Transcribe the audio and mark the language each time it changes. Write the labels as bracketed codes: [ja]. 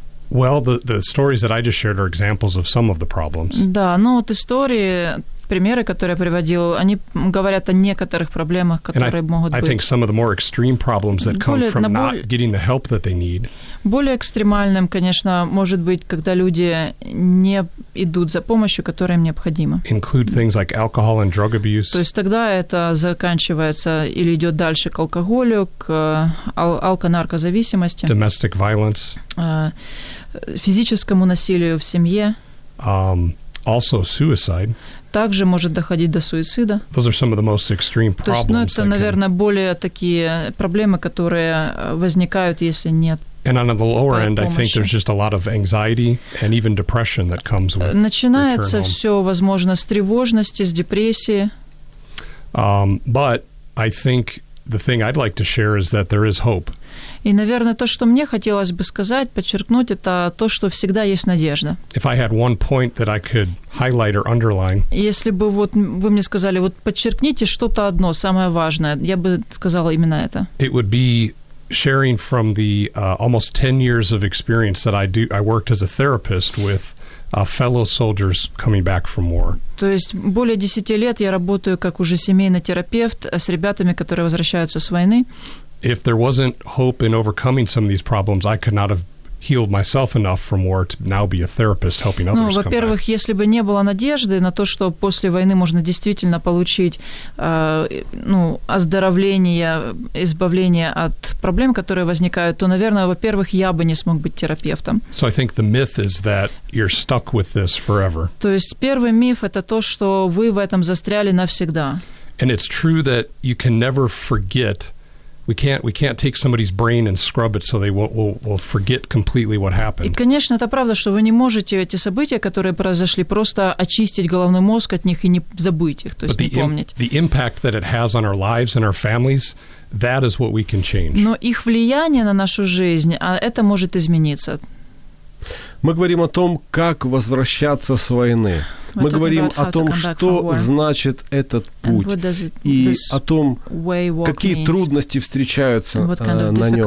[en] Well, the stories that I just shared are examples of some of the problems. [ru] Да, ну вот истории, примеры, которые я приводил, они говорят о некоторых проблемах, которые могут быть. [en] I think some of the more extreme problems that come from not getting the help that they need. [ru] Более экстремальным, конечно, может быть, когда люди не идут за помощью, которая им необходима. [en] Include things like alcohol and drug abuse. [ru] То есть тогда это заканчивается или идет дальше к алкоголю, к алко-наркозависимости. [en] Domestic violence. [ru] Физическому насилию в семье. [en] Also suicide. [ru] Также может доходить до суицида. [en] Those are some of the most extreme problems. [ru] То есть, ну, это, наверное, более такие проблемы, которые возникают, если нет. [en] And on the lower end, I think there's just a lot of anxiety and even depression that comes with. [ru] Начинается все, возможно, с тревожности, с депрессии. [en] But I think the thing I'd like to share is that there is hope. [ru] И, наверное, то, что мне хотелось бы сказать, подчеркнуть, это то, что всегда есть надежда. [en] If I had one point that I could highlight or underline. [ru] Если бы вот вы мне сказали, вот подчеркните что-то одно, самое важное, я бы сказала именно это. [en] It would be sharing from the almost 10 years of experience that I worked as a therapist with fellow soldiers coming back from war. [ru] То есть более 10 лет я работаю как уже семейный терапевт с ребятами, которые возвращаются с войны. [en] If there wasn't hope in overcoming some of these problems, I could not have healed myself enough from war to now be a therapist helping others. [ru] Ну, во-первых, если бы не было надежды на то, что после войны можно действительно получить оздоровление, избавление от проблем, которые возникают, то, наверное, во-первых, я бы не смог быть терапевтом. [en] So I think the myth is that you're stuck with this forever. [ru] То есть первый миф это то, что вы в этом застряли навсегда. [en] And it's true that you can never forget. We can't take somebody's brain and scrub it so they will forget completely what happened. [ru] И, конечно, это правда, что вы не можете эти события, которые произошли, просто очистить головной мозг от них и не забыть их, то есть не помнить. [en] The impact that it has on our lives and our families, that is what we can change. [ru] Но их влияние на нашу жизнь, а это может измениться. Мы говорим о том, как возвращаться с войны. Мы говорим о том, что значит этот путь, и о том, какие трудности встречаются на нем.